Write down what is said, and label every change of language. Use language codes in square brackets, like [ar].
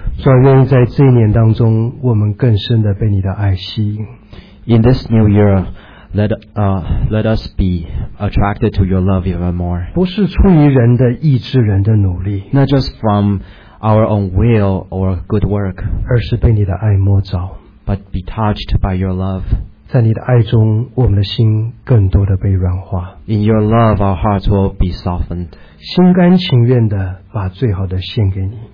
[zh] 主啊，愿意在这一年当中，我们更深的被你的爱吸引。 [en] In this new year, let us be attracted to your love even more. [zh] 不是出于人的意志，人的努力。 [en] Not just from our own will or good work. [zh] 而是被你的爱摸着。 [en] But be touched by your love. [zh] 在你的爱中，我们的心更多的被软化。 [en] In your love, our hearts will be softened. [zh] 心甘情愿的把最好的献给你。